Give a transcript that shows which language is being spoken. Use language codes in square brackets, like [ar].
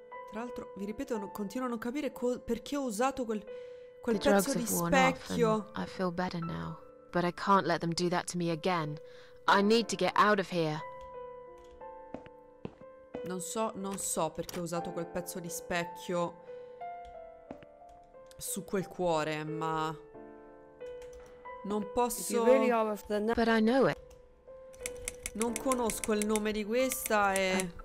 [it] Tra l'altro, vi ripeto, continuo a non capire perché ho usato quel pezzo di specchio. [en] I feel better now, but I can't let them do that to me again. I need to get out of here. [it] Non so perché ho usato quel pezzo di specchio su quel cuore, ma non posso. [en] But I know it. [it] Non conosco il nome di questa e